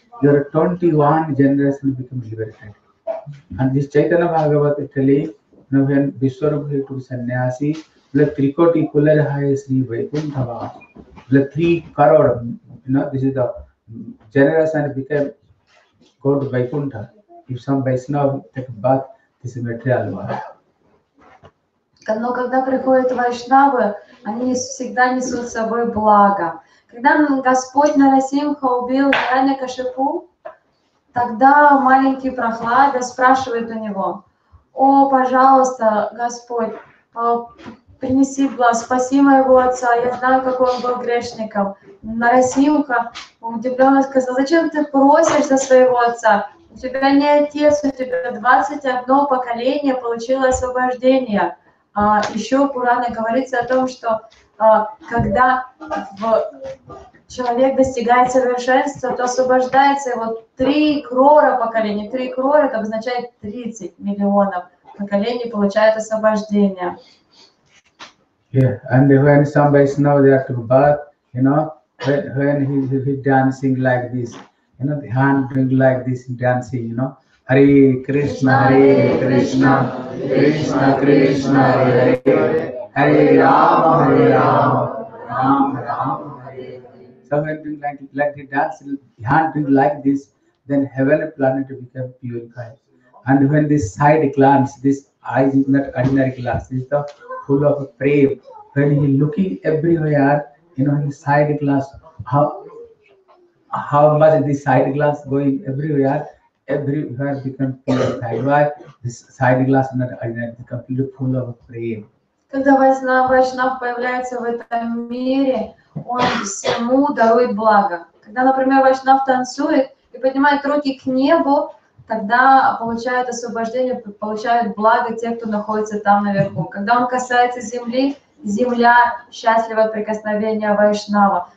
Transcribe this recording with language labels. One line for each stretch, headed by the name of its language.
English: Your 21 generation become liberated. And this Chaitanya Bhagavata is telling, you know, when Vishwarupa to Sannyasi, the Trikoti Kulara Hayasri Vaikunthava, the 3 crore, you know, this is the generation became go to Vaikuntha. If some Vaishnava take bath, this is material world.
Russian: Но когда приходят вайшнавы, они всегда несут с собой благо. Когда Господь Нарасимха убил Хиранья-Кашипу, тогда маленький Прахлада спрашивает у него: «О, пожалуйста, Господь, принеси благо, спаси моего отца, я знаю, какой он был грешником». Нарасимха удивленно сказал: «Зачем ты просишь за своего отца? У тебя не отец, у тебя 21 поколение получило освобождение». Еще Пурана говорится о том, что когда человек достигает совершенства, то освобождается его 3 крора поколений. 3 крора это означает 30 миллионов поколений получает освобождение.
English: Yeah, and when somebody knows they have to bath, you know, when he dancing like this, you know, the hand doing like this dancing, you know. Hare Krishna, Krishna Krishna, Hare Hare, Hare Rama, Hare Rama, Rama Rama, Hare Hare. So when doing like the dance, hand doing like this, then heaven and planet become purified. And when this side glance, this eye is not ordinary glance, this is the full of prayer, when he looking everywhere, you know, his side glass, how much the side glass going everywhere become full of pride. Why? This side glass is completely full of pride.
Russian: Когда Вайшнав появляется в этом мире, он всему дарует благо. Когда, например, Вайшнав танцует и поднимает руки к небу, тогда получает освобождение, получает благо те, кто находится там наверху. Когда он касается земли, земля счастлива от прикосновения Вайшнава.